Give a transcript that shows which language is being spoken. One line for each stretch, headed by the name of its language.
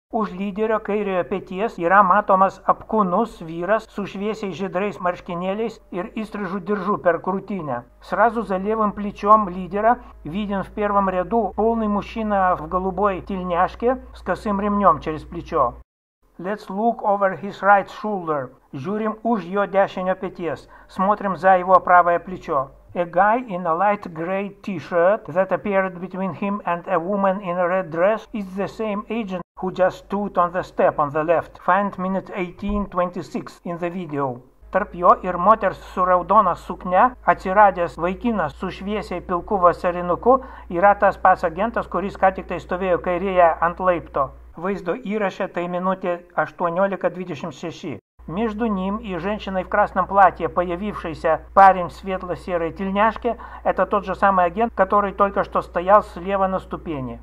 Lithuanian: Už lyderio kairiojo peties yra matomas apkūnus vyras su šviesiai žydrais marškinėliais ir įstrižų diržu per krūtinę.
Russian: Сразу за левым плечом лидера виден в первом ряду полный мужчина в голубой тельняшке с косым ремнем через плечо.
English: Let's look over his right shoulder.
Lithuanian: Žiūrim už jo dešinio peties.
Russian: Смотрим за его правое плечо.
English: A guy in a light gray t-shirt that appeared between him and a woman in a red dress is the same agent who just stood on the step on the left. Find minute 18:26 in the video.
Lithuanian: Tarp jo ir moters su raudona suknia atsiradęs vaikinas su šviesiai pilku vasarinuku yra tas pats agentas, kuris ką tik tai stovėjo kairėje ant laipto. Vaizdo įraše tai minutė 18:26.
Russian: Между ним и женщиной в красном платье, появившейся парень в светло-серой тельняшке, это тот же самый агент, который только что стоял слева на ступени.